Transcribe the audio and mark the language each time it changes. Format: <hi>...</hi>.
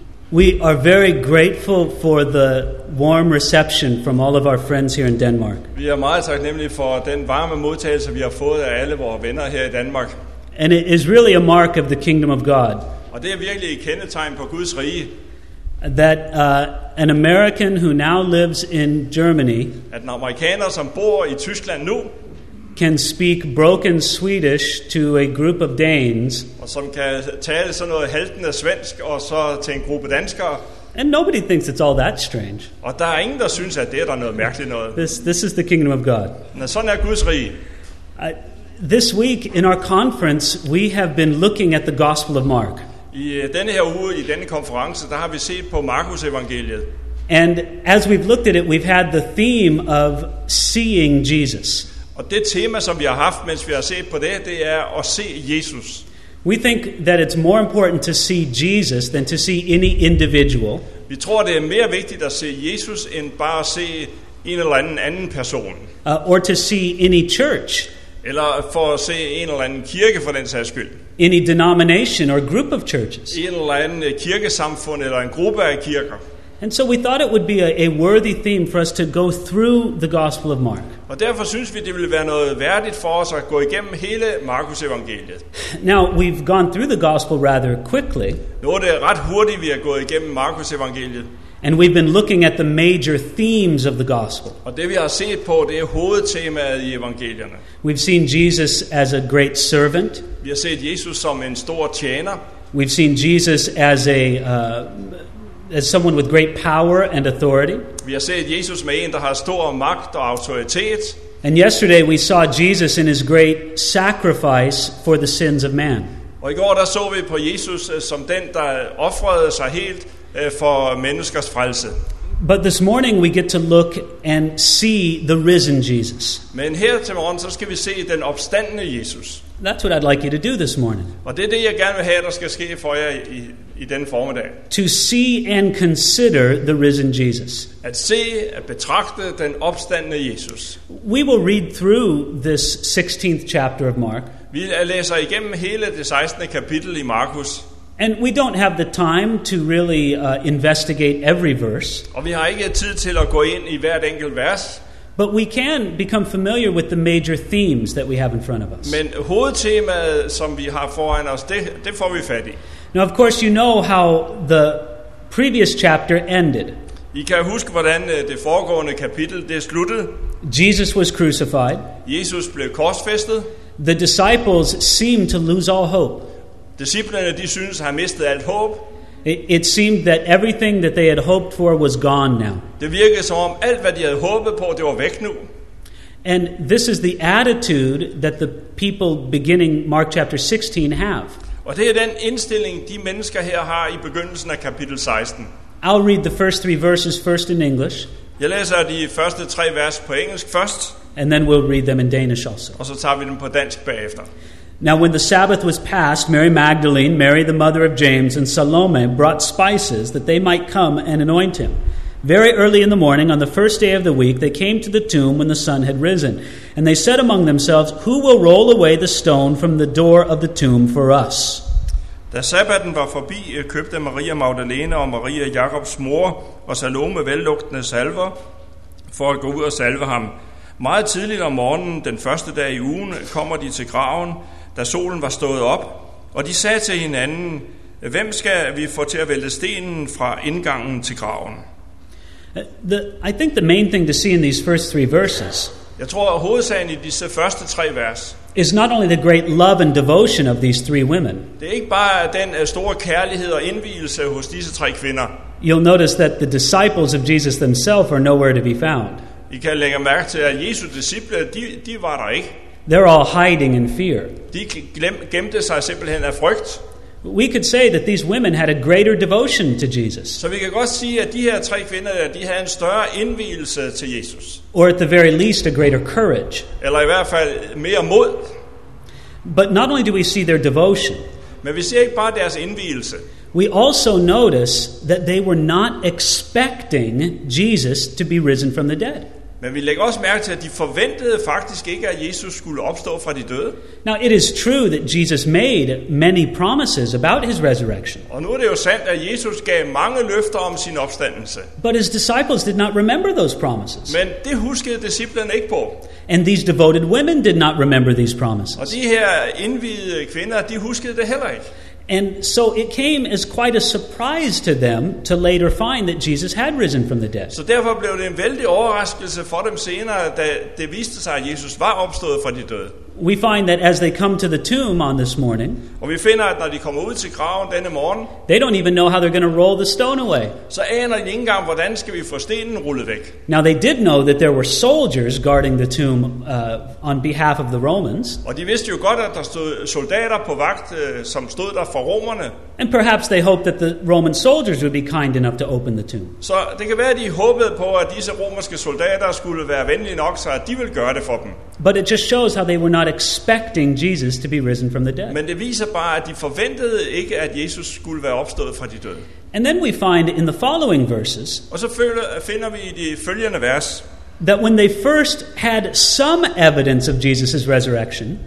<en>We are very grateful for the warm reception from all of our friends here in Denmark.</en> <da>Vi er meget taknemmelige for den varme modtagelse vi har fået af alle vores venner her i Danmark.</da> <en>And it is really a mark of the kingdom of God.</en> <da>Og det er virkelig et kendetegn på Guds rige.</da> <en>That an American who now lives in Germany,</en> <da>at en amerikaner som bor i Tyskland nu,</da> <en>can speak broken Swedish to a group of Danes,</en> <da>og som kan tale sådan noget haltende svensk og så til en gruppe danskere.</da> <en>And nobody thinks it's all that strange.</en> <da>Og der er ingen der synes at det er noget mærkeligt noget.</da> <en>This is the kingdom of God.</en> <da>Men sådan er Guds rige.</da> <en>This week in our conference we have been looking at the Gospel of Mark.</en> <da>I denne her uge i denne konference der har vi set på Markus evangeliet.</da> <en>And as we've looked at it we've had the theme of seeing Jesus.</en> <da>Og det tema som vi har haft mens vi har set på det er at se Jesus.</da> <en>We think that it's more important to see Jesus than to see any individual.</en> <da>Vi tror det er mere vigtigt at se Jesus end bare at se en eller anden person.</da> <en>Or to see any church.</en> <da>Eller for at se en eller anden kirke for den sags skyld.</da> <en>Any denomination or group of churches.</en> <da>En eller anden kirkesamfund eller en gruppe af kirker.</da> <en>And so we thought it would be a worthy theme for us to go through the Gospel of Mark.</en> <da>Og derfor synes vi det ville være noget værdigt for os at gå igennem hele Markus evangeliet.</da> <en>Now we've gone through the gospel rather quickly.</en> <da>Nu er det ret hurtigt vi har gået igennem Markus evangeliet.</da> <en>And we've been looking at the major themes of the gospel.</en> <da>Og det vi har set på, det er hovedtemaet i evangelierne.</da> <en>We've seen Jesus as a great servant.</en> <da>Vi har set Jesus som en stor tjener.</da> <en>We've seen Jesus as a as someone with great power and authority.</en> <da>Vi har set Jesus med en der har stor magt og autoritet.</da> <en>And yesterday we saw Jesus in his great sacrifice for the sins of man.</en> <da>Og i går der så vi på Jesus som den der ofrede sig helt for menneskers frelse.</da> <en>But this morning we get to look and see the risen Jesus.</en> <da>Men her til morgen så skal vi se den opstandne Jesus.</da> <en>That's what I'd like you to do this morning.</en> <da>Og det er det jeg gerne vil have der skal ske for jer i denne formiddag.</da> <en>To see and consider the risen Jesus.</en> <da>At se og betragte den opstandne Jesus.</da> <en>We will read through this 16th chapter of Mark.</en> <da>Vi læser igennem hele det 16. kapitel i Markus.</da> <en>And we don't have the time to really investigate every verse.</en> <da>Og vi har ikke tid til at gå ind i hvert enkelt vers.</da> <en>But we can become familiar with the major themes that we have in front of us.</en> <da>Men hovedtemaet som vi har foran os, det får vi fat i.</da> <en>Now of course you know how the previous chapter ended.</en> <da>I kan huske hvordan det foregående kapitel det sluttede.</da> <en>Jesus was crucified.</en> <da>Jesus blev korsfæstet.</da> <en>The disciples seemed to lose all hope.</en> <da>Disciplerne de synes har mistet alt håb.</da> <en>It seemed that everything that they had hoped for was gone now.</en> <da>Det virkede som om alt hvad de havde håbet på det var væk nu.</da> <en>And this is the attitude that the people beginning Mark chapter 16 have.</en> <da>Og det er den indstilling de mennesker her har i begyndelsen af kapitel 16.</da> <en>I'll read the first three verses first in English.</en> <da>Jeg læser de første tre vers på engelsk først.</da> <en>And then we'll read them in Danish also.</en> <da>Og så tager vi dem på dansk bagefter.</da> <en>Now when the Sabbath was passed, Mary Magdalene, Mary the mother of James, and Salome brought spices that they might come and anoint him. Very early in the morning, on the first day of the week, they came to the tomb when the sun had risen. And they said among themselves, who will roll away the stone from the door of the tomb for us?</en> <da>Da sabbaten var forbi, købte Maria Magdalene og Maria Jakobs mor og Salome vellugtende salver for at gå ud og salve ham. Meget tidligt om morgenen, den første dag i ugen, kommer de til graven, da solen var stået op, og de sagde til hinanden, Hvem skal vi få til at vælte stenen fra indgangen til graven?</da> <en>I think the main thing to see in these first three verses.</en> <da>Jeg tror at hovedsagen i disse første tre vers.</da> <en>Is not only the great love and devotion of these three women.</en> <da>Det er ikke bare den store kærlighed og indvielse hos disse tre kvinder.</da> <en>You'll notice that the disciples of Jesus themselves are nowhere to be found.</en> <da>I kan lægge mærke til at Jesu disciple, de var der ikke.</da> <en>They're all hiding in fear.</en> <da>De gemte sig simpelthen af frygt.</da> <en>We could say that these women had a greater devotion to Jesus.</en> <da>Så vi kan godt sige at de her tre kvinder, de havde en større indvielse til Jesus.</da> <en>Or at the very least a greater courage.</en> <da>Eller i hvert fald mere mod.</da> <en>But not only do we see their devotion.</en> <da>Men vi ser ikke bare deres indvielse.</da> <en>We also notice that they were not expecting Jesus to be risen from the dead.</en> <da>Men vi lægger også mærke til, at de forventede faktisk ikke, at Jesus skulle opstå fra de døde.</da> <en>Now it is true that Jesus made many promises about his resurrection.</en> <da>Og nu er det jo sandt, at Jesus gav mange løfter om sin opstandelse.</da> <en>But his disciples did not remember those promises.</en> <da>Men det huskede disciplerne ikke på.</da> <en>And these devoted women did not remember these promises.</en> <da>Og de her indviede kvinder, de huskede det heller ikke.</da> <en>And so it came as quite a surprise to them to later find that Jesus had risen from the dead.</en> <da>Så derfor blev det en vældig overraskelse for dem senere, da det viste sig, at Jesus var opstået fra de døde.</da> <en>We find that as they come to the tomb on this morning,</en> <da>og vi finder, at når de kommer ud til graven denne morgen,</da> <en>they don't even know how they're going to roll the stone away.</en> <da>Så aner de ikke engang, hvordan skal vi få stenen rullet væk.</da> <en>Now they did know that there were soldiers guarding the tomb on behalf of the Romans.</en> <da>Og de vidste jo godt, at der stod soldater på vagt, som stod der for romerne.</da> <en>And perhaps they hoped that the Roman soldiers would be kind enough to open the tomb.</en> <da>Så det kan være, at de håbede på, at disse romerske soldater skulle være venlige nok, så at de ville gøre det for dem.</da> <en>But it just shows how they were not expecting Jesus to be risen from the dead.</en> <da>Men det viser bare, at de forventede ikke, at Jesus skulle være opstået fra de døde.</da> <en>And then we find in the following verses.</en> <da>Og så finder vi i de følgende vers.</da> <en>That when they first had some evidence of Jesus' resurrection,</en>